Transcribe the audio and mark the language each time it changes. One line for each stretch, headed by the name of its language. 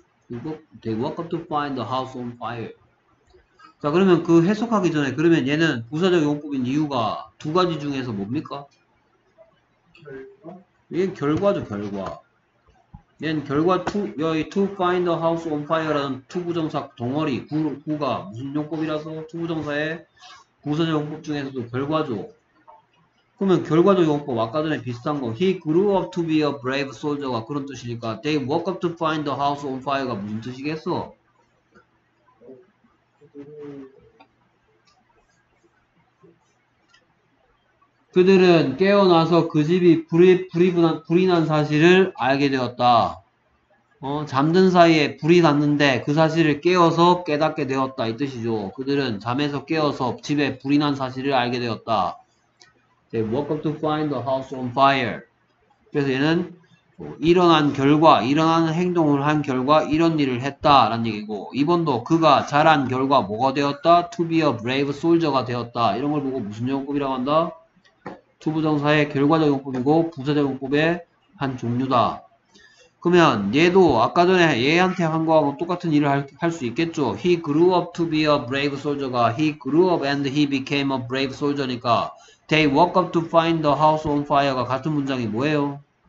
English: 이거 they woke up to find the house on fire.
Korean: 자, 그러면 그 해석하기 전에 그러면 얘는 부사적 용법인 이유가 두 가지 중에서 뭡니까? 얘는 결과죠, 결과. 얘는 결과 to 여기
English: to find the house on fire
Korean: 라는 to 부정사 덩어리 who가 무슨 용법이라서 to 부정사의 부사적 용법 중에서도 결과죠. 그러면 결과적 용법 아까 전에 비슷한 거
English: He grew up to be a brave soldier가
Korean: 그런 뜻이니까
English: They woke up to find the house on fire
Korean: 가 무슨 뜻이겠어? 그들은 깨어나서 그 집이 불이 난 사실을 알게 되었다. 잠든 사이에 불이 났는데 그 사실을 깨어서 깨닫게 되었다 이 뜻이죠. 그들은 잠에서 깨어서 집에 불이 난 사실을 알게 되었다.
English: They woke up to find the house on fire.
Korean: 그래서 얘는 일어난 결과, 일어난 행동을 한 결과 이런 일을 했다라는 얘기고 이번도 그가 자란 결과 뭐가 되었다?
English: To be a brave soldier가 되었다.
Korean: 이런 걸 보고 무슨 용법이라고 한다? To 부정사의 결과적 용법이고 부사적 용법의 한 종류다. 그러면 얘도 아까 전에 얘한테 한 거하고 똑같은 일을 할수 있겠죠.
English: He grew up to be a brave soldier가 He grew up and he became a brave soldier니까 They woke up to find the house on fire가
Korean: 같은 문장이 뭐예요?